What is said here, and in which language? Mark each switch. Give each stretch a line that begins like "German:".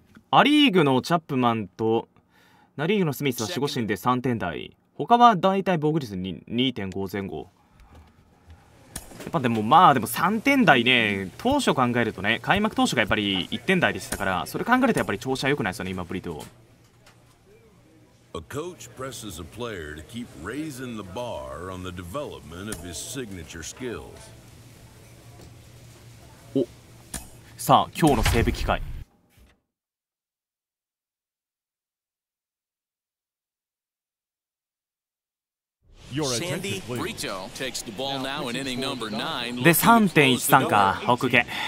Japanese: ア・リーグのチャップマンとナ・リーグのスミスは守護神で3点台、他はだいたい防御率に 2.5 前後。やっぱでもまあでも3点台ね、当初考えるとね、開幕当初がやっぱり1点台でしたから、それ考えるとやっぱり調子は良くないですよね今ブリト。
English: A coach presses a player to keep raising the bar on the development of his signature skills.
Japanese: お、さあ今日のセーブ機会。
English: Sandy Brito takes the ball now in inning number 9.
Japanese: で 3.13 か、オッケー。